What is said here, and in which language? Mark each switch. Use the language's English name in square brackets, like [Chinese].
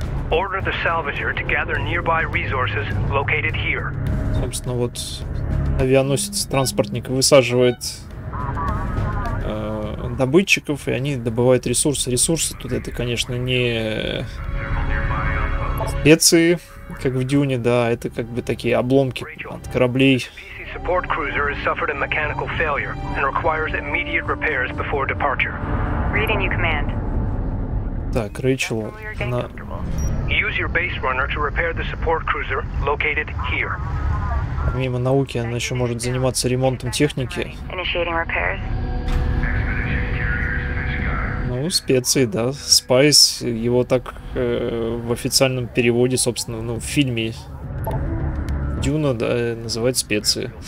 [English] Order the salvager to gather nearby resources located here. [Russian] Собственно, вот авианосец, транспортник высаживает добытчиков, и они добывают ресурсы. Ресурсы тут это, конечно, не специи, как в Дюне, да, это как бы такие обломки от кораблей. [English] Support cruiser has suffered a mechanical failure and requires immediate repairs before departure. Reading you command. [Russian] Так, Рэйчел, она... [English] Use your base runner to repair the support cruiser located here. [Russian] Помимо науки, она еще может заниматься ремонтом техники. [English] Initiating repairs. [Russian] Ну, специи, да. Spice, его так в официальном переводе, собственно, ну, в фильме... Дюна, да, называть специи.